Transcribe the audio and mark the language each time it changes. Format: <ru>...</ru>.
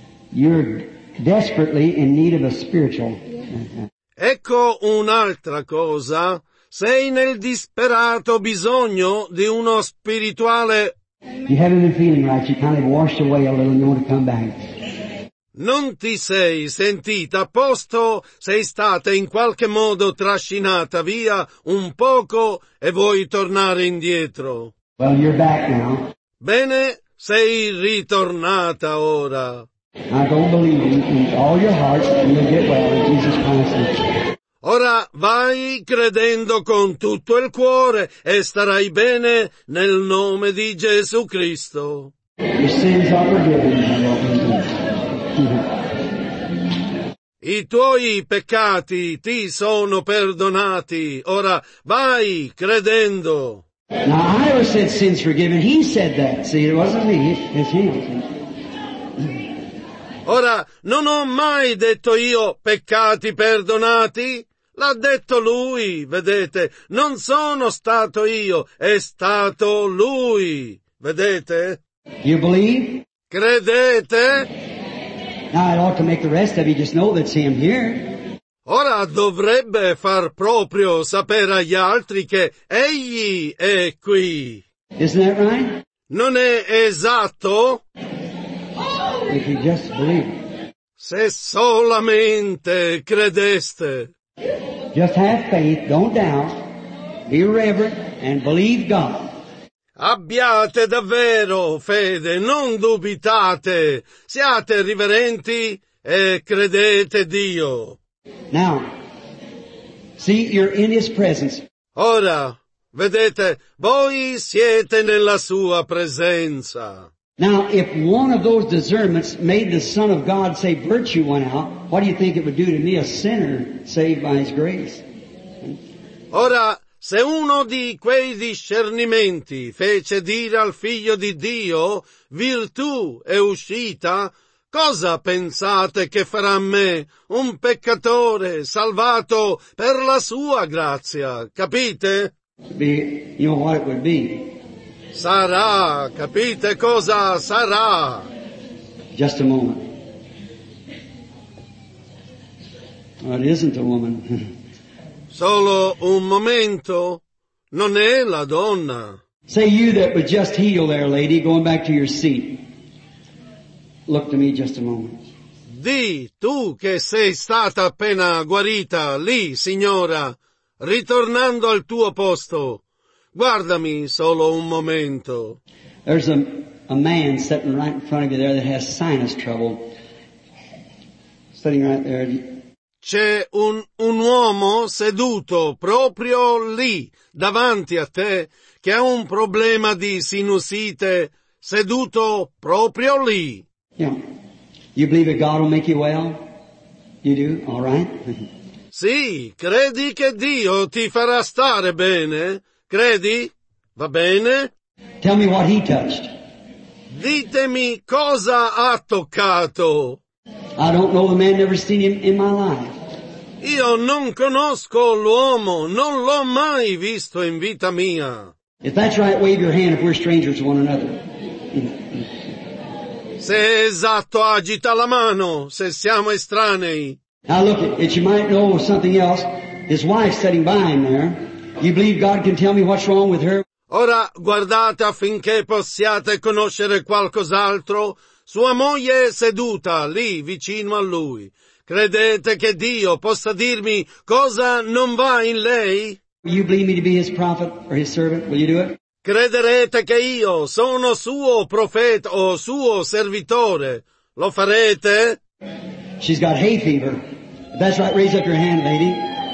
<en>You're desperately in need of a spiritual.</en> <it>Ecco un'altra cosa. Sei nel disperato bisogno di uno spirituale.</it> <en>You haven't been feeling right. You kind of washed away a little and you want to come back.</en> <it>Non ti sei sentita a posto, sei stata in qualche modo trascinata via un poco e vuoi tornare indietro.</it> <en>Well, you're back now.</en> <it>Bene, sei ritornata ora.</it> <en>I don't believe in all your heart you'll get well in Jesus Christ's name.</en> <it>Ora vai credendo con tutto il cuore e starai bene nel nome di Gesù Cristo.</it> <en>Your sins are forgiven.</en> <it>I tuoi peccati ti sono perdonati. Ora vai credendo.</it> <en>Now I never said sins forgiven. He said that. See, it wasn't me. It's him.</en> <it>Ora non ho mai detto io peccati perdonati. L'ha detto lui, vedete? Non sono stato io, è stato lui, vedete?</it> <en>You believe?</en> <it>Credete?</it> <en>Now it ought to make the rest of you just know that's him here.</en> <it>Ora dovrebbe far proprio sapere agli altri che egli è qui.</it> <en>Isn't that right?</en> <it>Non è esatto?</it> <en>If you just believe.</en> <it>Se solamente credeste.</it> <en>Just have faith, don't doubt, be reverent, and believe God.</en> <it>Abbiate davvero fede, non dubitate, siate riverenti e credete Dio.</it> <en>Now, see, you're in His presence.</en> <it>Ora, vedete, voi siete nella Sua presenza.</it> <en>Now, if one of those discernments made the Son of God say virtue went out, what do you think it would do to me, a sinner saved by His grace?</en> <it>Ora, se uno di quei discernimenti fece dire al Figlio di Dio, virtù è uscita, cosa pensate che farà a me, un peccatore salvato per la Sua grazia? Capite?</it> <en>You know what it would be.</en> <it>Sarà, capite cosa sarà?</it> <en>Just a moment. Well, it isn't a woman.</en> <it>Solo un momento. Non è la donna.</it> <en>Say you that would just heal there, lady, going back to your seat. Look to me just a moment.</en> <it>Di tu che sei stata appena guarita lì, signora, ritornando al tuo posto. Guardami solo un momento.</it> <en>There's a man sitting right in front of you there that has sinus trouble. Sitting right there.</en> <it>C'è un uomo seduto proprio lì, davanti a te, che ha un problema di sinusite, seduto proprio lì.</it> <en>Yeah. You believe that God will make you well? You do? All right.</en> <it>Sì, credi che Dio ti farà stare bene? Credi? Va bene?</it> <en>Tell me what he touched.</en> <it>Ditemi cosa ha toccato.</it> <en>I don't know the man, never seen him in my life.</en> <it>Io non conosco l'uomo, non l'ho mai visto in vita mia.</it> <en>If that's right, wave your hand if we're strangers to one another.</en> <it>Se è esatto, agita la mano se siamo estranei.</it> <en>Now look, if you might know something else, his wife sitting by him there. You believe God can tell me what's wrong with her?</en> <it>Ora guardate affinché possiate conoscere qualcos'altro. Sua moglie è seduta lì vicino a lui. Credete che Dio possa dirmi cosa non va in lei?</it> <en>You believe me to be his prophet or his servant? Will you do it?</en> <it>Crederete che io sono suo profeta o suo servitore? Lo farete?</it> <en>She's got hay fever. If that's right, raise up your hand, lady.</en>